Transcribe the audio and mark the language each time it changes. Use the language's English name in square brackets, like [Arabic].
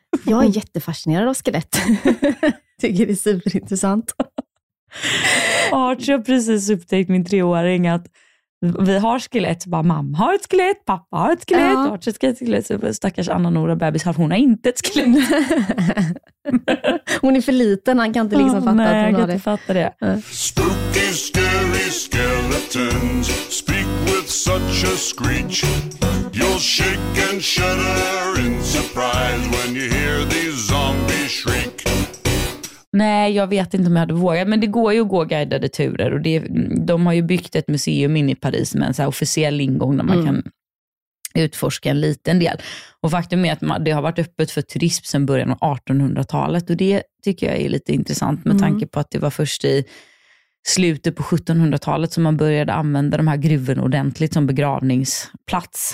[Swedish] Jag är jättefascinerad av skelett. Tycker det är superintressant. Arthur, jag har precis upptäckt min 3-åring att vi har skelett, bara mamma har ett skelett, pappa har ett skelett, Arthur har ett skelett, så stackars Anna-Nora bebis, hon har inte ett skelett. Hon är för liten, han kan inte liksom fatta nej, att hon jag har kan det. Inte fatta det. [English] Spooky, scary skeletons speak with such a screech. You'll shake and shudder in surprise when you hear these zombies shriek. [Swedish] Nej, jag vet inte om jag hade vågat, men det går ju att gå guidade turer, och de har ju byggt ett museum in i Paris med en så här officiell ingång där man kan utforska en liten del. Och faktum är att det har varit öppet för turism sedan början av 1800-talet, och det tycker jag är lite intressant med tanke på att det var först i slutet på 1700-talet som man började använda de här gruvorna ordentligt som begravningsplats.